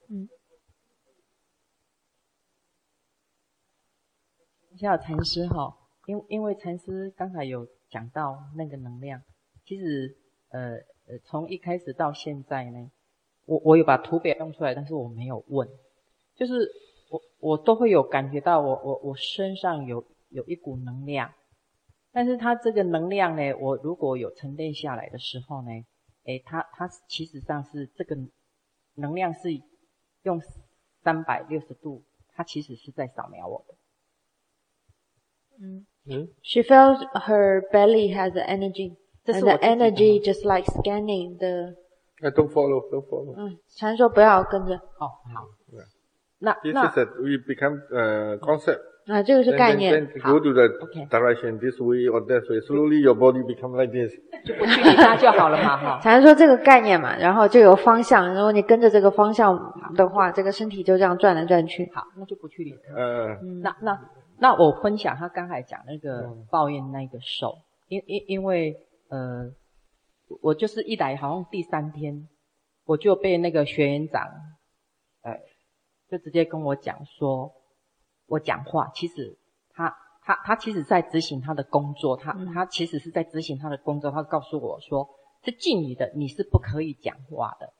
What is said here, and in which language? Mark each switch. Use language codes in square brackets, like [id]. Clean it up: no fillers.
[zh] 嗯，像禅师齁，因为禅师刚才有讲到那个能量，其实从一开始到现在呢，我有把图表用出来，但是我没有问，就是我都会有感觉到我身上有一股能量，但是它这个能量呢，我如果有沉淀下来的时候呢，它其实上是这个能量是用360度，它其实是在扫描我的。 [en] 嗯嗯 ，She felt her belly has the energy, and the energy just like scanning the. Don't follow. [zh] 嗯，禅说不要跟着。哦，好。 [en] 那 this is a, we become concept. [zh] 那这个是概念。 [en] Then go to the direction this way or that way. Slowly your body become like this. [zh] 就不去理它就好了嘛，哈。禅说这个概念嘛，然后就有方向。如果你跟着这个方向的话，这个身体就这样转来转去。好，那就不去理它。那我分享他刚才讲那个抱怨那个手，因为我就是一来好像第三天，我就被那个学员长，就直接跟我讲说，我讲话其实他其实在执行他的工作，他其实是在执行他的工作，他告诉我说，是敬语的，你是不可以讲话的。